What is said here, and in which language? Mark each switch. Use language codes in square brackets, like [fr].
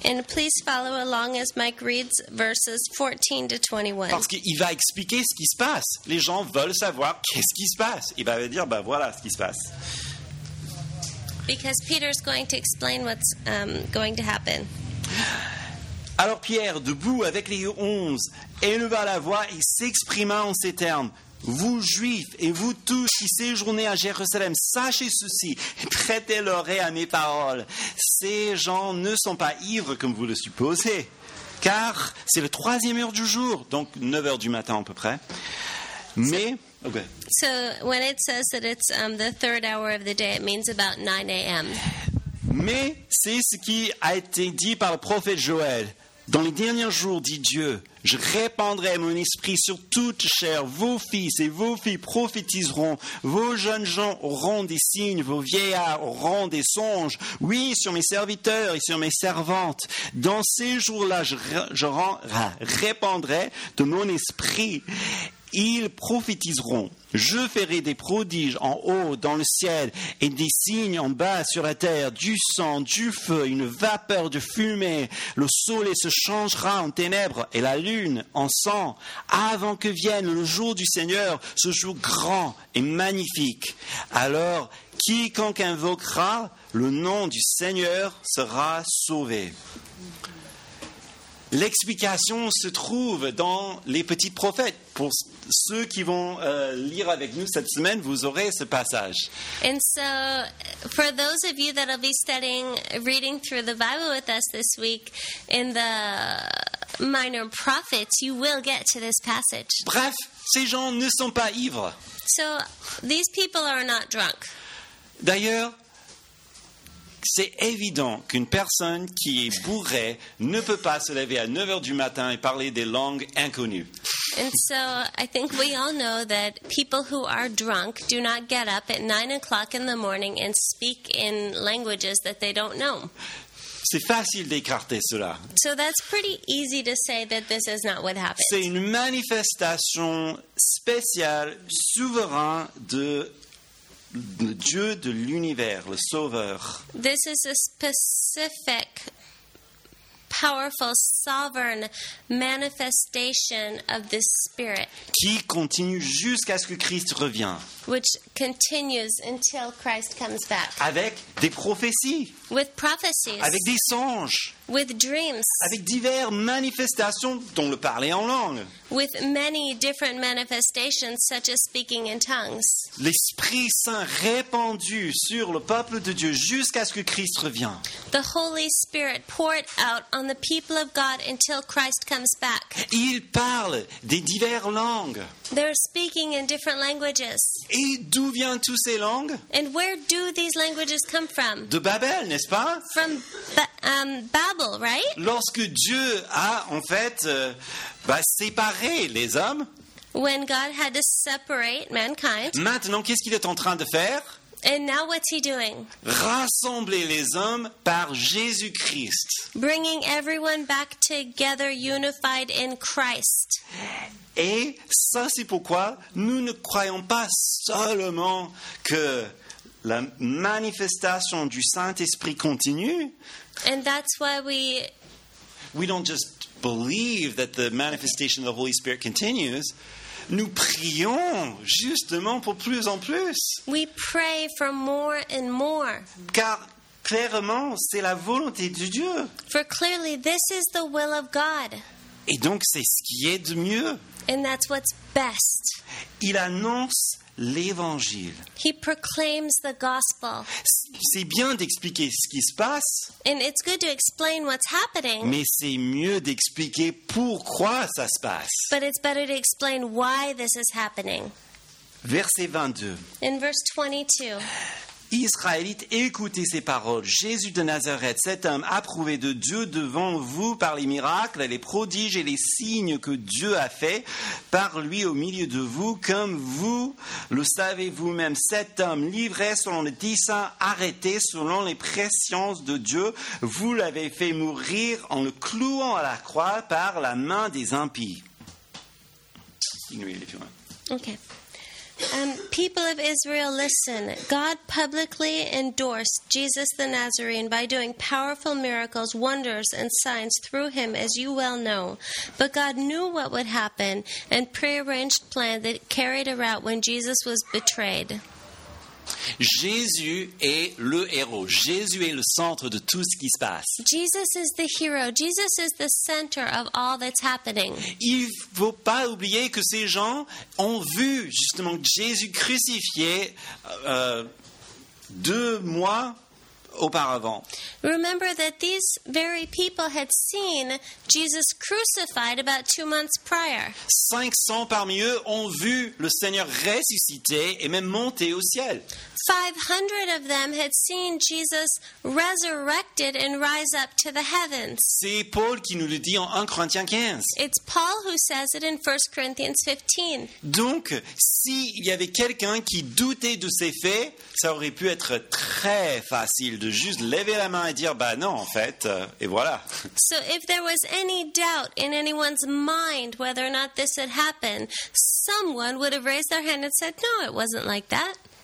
[en] And please follow along as Mike reads verses 14 to 21. [fr] Parce qu'il va expliquer ce qui se passe. Les gens veulent savoir qu'est-ce qui se passe. Il va dire bah voilà ce qui se passe. [en] Because Peter's going to explain what's going to happen. [fr] Alors Pierre, debout avec les onze, éleva la voix et s'exprima en ces termes. Vous juifs et vous tous qui séjournez à Jérusalem, sachez ceci, prêtez l'oreille à mes paroles. Ces gens ne sont pas ivres comme vous le supposez, car c'est le troisième heure du jour, donc 9h du matin à peu près. Mais... [en] Okay. So when it says that it's the third hour of the day, it means about 9 a.m. [fr] Mais c'est ce qui a été dit par le prophète Joël. Dans les derniers jours, dit Dieu, je répandrai mon esprit sur toute chair. Vos fils et vos filles prophétiseront. Vos jeunes gens auront des signes. Vos vieillards auront des songes. Oui, sur mes serviteurs et sur mes servantes. Dans ces jours-là, je répandrai de mon esprit. Ils prophétiseront. Je ferai des prodiges en haut dans le ciel et des signes en bas sur la terre, du sang, du feu, une vapeur de fumée. Le soleil se changera en ténèbres et la lune en sang avant que vienne le jour du Seigneur, ce jour grand et magnifique. Alors, quiconque invoquera le nom du Seigneur sera sauvé. L'explication se trouve dans les petits prophètes. Pour ceux qui vont lire avec nous cette semaine, vous aurez ce passage. [en] And so, for those of you that will be studying, reading through the Bible with us this week in the Minor Prophets, you will get to this passage. [fr] Bref, ces gens ne sont pas ivres. [en] So, these people are not drunk. [fr] D'ailleurs, c'est évident qu'une personne qui est bourrée ne peut pas se lever à 9h du matin et parler des langues inconnues. [en] And so I think we all know that people who are drunk do not get up at 9 o'clock in the morning and speak in languages that they don't know. [fr] C'est facile d'écarter cela. [en] So that's pretty easy to say that this is not what happened. [fr] C'est une manifestation spéciale, souverain de le Dieu de l'univers, le Sauveur. [en] This is a specific, powerful, sovereign manifestation of the Spirit. [fr] Qui continue jusqu'à ce que Christ revienne. [en] Which continues until Christ comes back. [fr] Avec des prophéties. [en] With prophecies. [fr] Avec des songes. [en] With dreams. [fr] Avec diverses manifestations, dont le parler en langue. [en] With many different manifestations, such as speaking in tongues. [fr] L'Esprit Saint répandu sur le peuple de Dieu jusqu'à ce que Christ revienne. [en] The Holy Spirit poured out on the people of God until Christ comes back. [fr] Il parle des diverses langues. [en] They're speaking in different languages. [fr] Et d'où viennent toutes ces langues? [en] And where do these languages come from? [fr] De Babel, n'est-ce pas? [en] From Babel, right? [fr] Lorsque Dieu a en fait séparé les hommes. [en] When God had to separate mankind. [fr] Maintenant, qu'est-ce qu'il est en train de faire? [en] And now what's he doing? [fr] Rassembler les hommes par Jésus-Christ. [en] Bringing everyone back together, unified in Christ. [fr] Et ça, c'est pourquoi nous ne croyons pas seulement que la manifestation du Saint-Esprit continue. [en] And that's why we don't just believe that the manifestation of the Holy Spirit continues. [fr] Nous prions justement pour plus en plus. [en] We pray for more and more. [fr] Car clairement, c'est la volonté de Dieu. [en] For clearly, this is the will of God. [fr] Et donc, c'est ce qui est de mieux. [en] And that's what's best. [fr] Il annonce l'évangile. [en] He proclaims the gospel. [fr] C'est bien d'expliquer ce qui se passe. [en] And it's good to explain what's happening. [fr] Mais c'est mieux d'expliquer pourquoi ça se passe. [en] But it's better to explain why this is happening. [fr] Verset 22. [en] In verse 22. [fr] Israélites, écoutez ces paroles. Jésus de Nazareth, cet homme approuvé de Dieu devant vous par les miracles, les prodiges et les signes que Dieu a fait par lui au milieu de vous, comme vous le savez vous-même. Cet homme livré selon le dessein, arrêté selon les préciences de Dieu, vous l'avez fait mourir en le clouant à la croix par la main des impies. [en] Okay. People of Israel, listen. God publicly endorsed Jesus the Nazarene by doing powerful miracles, wonders, and signs through him, as you well know. But God knew what would happen and prearranged plan that carried a route when Jesus was betrayed. [fr] Jésus est le héros. Jésus est le centre de tout ce qui se passe. [en] Jesus is the hero. Jesus is the center of all that's happening. [fr] Il faut pas oublier que ces gens ont vu justement Jésus crucifié 2 mois auparavant. [en] Remember that these very people had seen Jesus crucified about 2 months prior. [fr] 500 parmi eux ont vu le Seigneur ressuscité et même monté au ciel. [en] 500 of them had seen Jesus resurrected and rise up to the heavens. [fr] C'est Paul qui nous le dit en 1 Corinthiens 15. [en] It's Paul who says it in 1 Corinthians 15. [fr] Donc, s'il y avait quelqu'un qui doutait de ces faits, ça aurait pu être très facile de juste lever la main et dire bah non en fait et voilà. [en] So if there was any doubt in anyone's mind whether or not this had happened, someone would have raised their hand and said no, it wasn't like that.